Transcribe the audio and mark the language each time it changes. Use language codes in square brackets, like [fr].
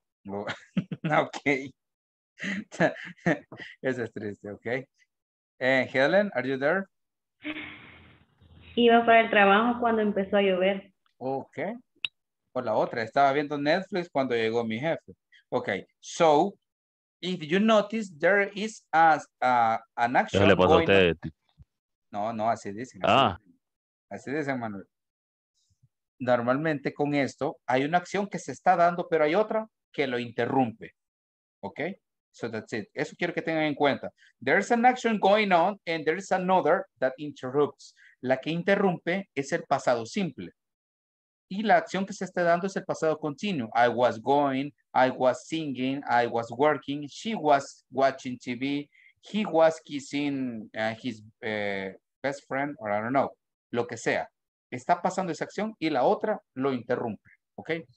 [es] Ok. Eso es triste, ok. Helen, [en] are you there? [es] Iba para el trabajo cuando empezó a llover. Ok. O la otra, estaba viendo Netflix cuando llegó mi jefe. [en] Ok, so, if you notice, there is an action. [es] ¿Le pasó a usted? No, no, así dicen. Ah. Así dicen, Manuel. Normalmente con esto hay una acción que se está dando, pero hay otra que lo interrumpe. ¿Ok? [en] So that's it. [es] Eso quiero que tengan en cuenta. [en] There's an action going on and there's another that interrupts. [es] La que interrumpe es el pasado simple. Y la acción que se está dando es el pasado continuo. [en] I was going, I was singing, I was working, she was watching TV, he was kissing best friend, or I don't know, [es] lo que sea. Está pasando esa acción y la otra lo interrumpe, ¿ok?